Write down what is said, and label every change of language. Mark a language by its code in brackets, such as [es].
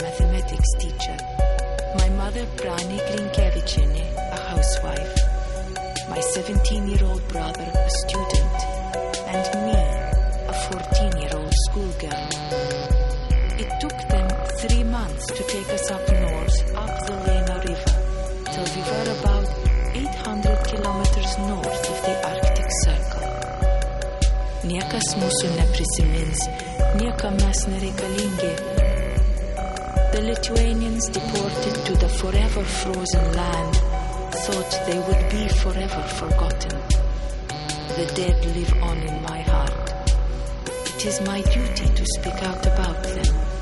[en] mother, Brani Grinkevicini, a housewife, my 17-year-old brother, a student, and me, a 14-year-old schoolgirl. It took them 3 months to take us up north, up the Lena River, till we were about 800 kilometers north of the Arctic Circle. [lt] Niekas mūsų neprisimins, niekam mes nereikalingi. [en] The Lithuanians deported to the forever frozen land thought they would be forever forgotten. The dead live on in my heart. It is my duty to speak out about them.